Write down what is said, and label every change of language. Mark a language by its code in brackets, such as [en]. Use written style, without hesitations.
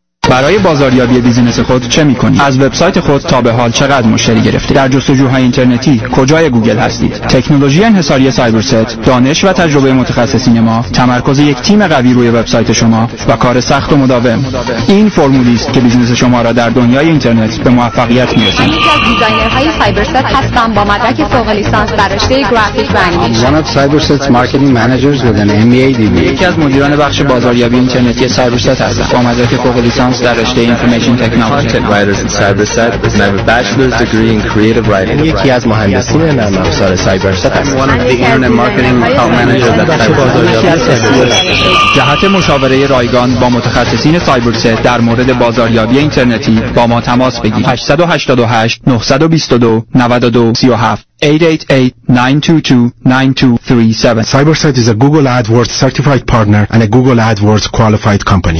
[fa] برای بازاریابی بیزینس خود چه می‌کنید؟ از وبسایت خود تا به حال چقدر مشتری گرفتید؟ در جستجوهای اینترنتی کجای گوگل هستید؟ تکنولوژی انحصاری سایبرست، دانش و تجربه متخصصین ما، تمرکز یک تیم قوی روی وبسایت شما و کار سخت و مداوم. این فرمولی است که بیزینس شما را در دنیای اینترنت به موفقیت می‌رساند. من یکی از دیزاینرهای سایبرست هستم با مدرک فوق لیسانس در رشته گرافیک و انیمیشن. [en] One of Cyberset Marketing Managers with an MBA degree. [fa] یکی از مدیران بخش بازاریابی اینترنتی سایبرست هستم با مدرک فوق لیسانس در رشته اینفورمیشن تکنولوژی. [en] Content writers in CyberSet with my bachelor's degree in creative writing. [fa] یکی از مهندسین نرم افزار CyberSet. [en] One of the internet marketing account managers at CyberSet. [fa] جهت مشاوره رایگان با متخصصین CyberSet در مورد بازاریابی اینترنتی با ما تماس بگیرید. 888-922-9237 888-922-9237 [en] CyberSet is a Google AdWords certified partner and a Google AdWords qualified company.